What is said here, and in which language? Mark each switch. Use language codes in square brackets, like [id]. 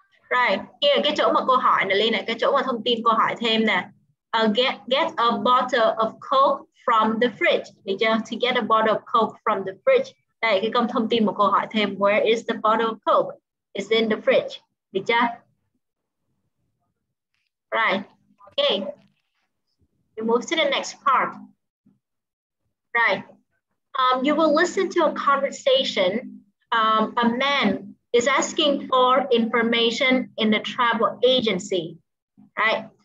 [en] Right, here, [vi] cái chỗ mà cô hỏi này, Lee này, cái chỗ mà thông tin cô hỏi thêm nè. [en] Get a bottle of Coke from the fridge. [vi] Được chưa? [en] To get a bottle of Coke from the fridge. [vi] Đây, cái câu thông tin mà cô hỏi thêm. [en] Where is the bottle of Coke? It's in the fridge. [vi] Được chưa? [en] Right, okay. We move to the next part. Right. You will listen to a conversation. A man is asking for information in the travel agency, right?